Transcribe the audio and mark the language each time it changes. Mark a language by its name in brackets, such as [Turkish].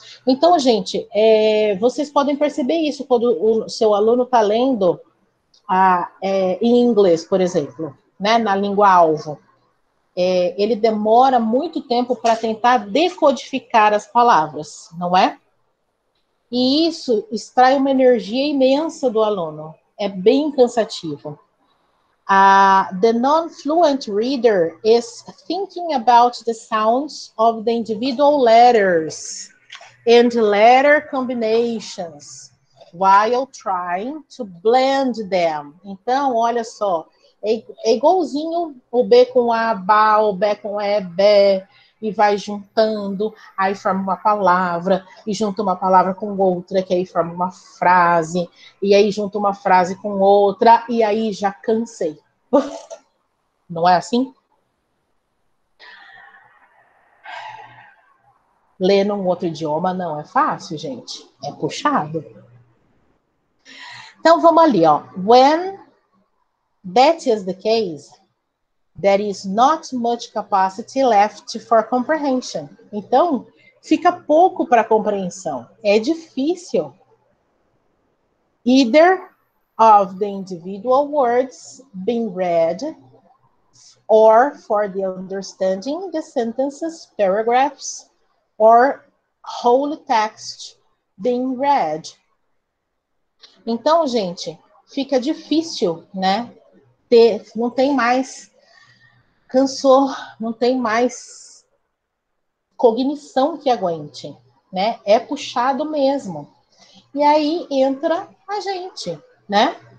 [Portuguese] Então, gente, vocês podem perceber isso quando o seu aluno está lendo em inglês, por exemplo, né? Na língua-alvo. Ele demora muito tempo para tentar decodificar as palavras, não é? E isso extrai uma energia imensa do aluno. É bem cansativo. [English] The non-fluent reader is thinking about the sounds of the individual letters and letter combinations while trying to blend them. [Portuguese] Então, olha só, é igualzinho o B com A, ba, o B com E, be, e vai juntando, aí forma uma palavra, e junta uma palavra com outra, que aí forma uma frase, e aí junta uma frase com outra, e aí já cansei. Não é assim? Ler num outro idioma não é fácil, gente. É puxado. Então, vamos ali, ó. [English] When that is the case, there is not much capacity left for comprehension. [Portuguese] Então, fica pouco para compreensão. É difícil. [English] Either of the individual words being read or for the understanding the sentences, paragraphs, or whole text being read. [Portuguese] Então, gente, fica difícil, né? Não tem mais, cansou, não tem mais cognição que aguente, né? É puxado mesmo. E aí entra a gente, né?